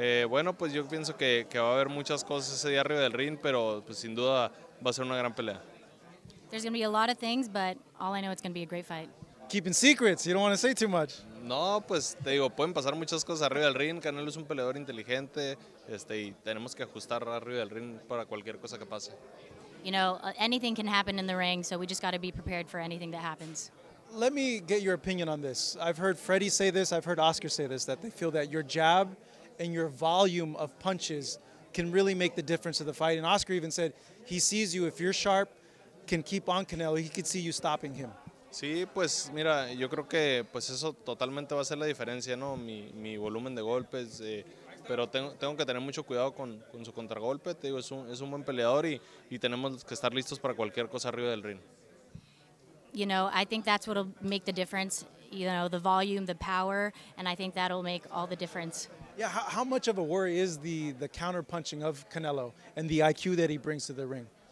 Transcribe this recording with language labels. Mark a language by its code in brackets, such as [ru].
[es] Bueno, pues yo pienso que va a haber muchas cosas ese día arriba del ring, pero pues sin duda va a ser una gran pelea. [en] There's going to be a lot of things, but all I know, it's going to be a great fight. Keeping secrets, you don't want to say too much. [es] No, pues te digo, pueden pasar muchas cosas arriba del ring. Canelo es un peleador inteligente, y tenemos que ajustar arriba del ring para cualquier cosa que pase. [en] You know, anything can happen in the ring, so we just got to be prepared for anything that happens. Let me get your opinion on this. I've heard Freddie say this, I've heard Oscar say this, that they feel that your jab and your volume of punches can really make the difference of the fight. And Oscar even said he sees you, if you're sharp, can keep on Canelo, he could see you stopping him. [es] Sí, pues mira, yo creo que pues eso totalmente va a ser la diferencia, ¿no? Mi volumen de golpes, pero tengo que tener mucho cuidado con su contragolpe. Te digo, es un buen peleador y tenemos que estar listos para cualquier cosa arriba del ring. [en] You know, I think that's what'll make the difference. You know, the volume, the power, and I think that'll make all the difference. Yeah, how much of a worry is the counter punching of Canelo and the IQ that he brings to the ring?